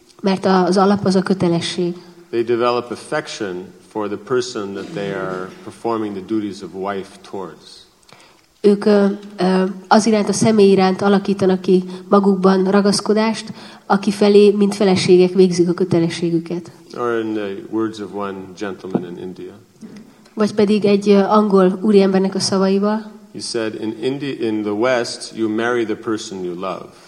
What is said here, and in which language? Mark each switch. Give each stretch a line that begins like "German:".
Hungarian: Mert az alap az a kötelesség.
English: They develop affection for the person that they are performing the duties of wife towards.
Hungarian: Ők az iránt, a személy iránt alakítanak ki magukban ragaszkodást, aki felé, mint feleségek végzik a kötelességüket.
English: Or in the words of one gentleman in India.
Hungarian: Vagy pedig egy angol úriembernek a szavaival.
English: He said, in the West, you marry the person you love.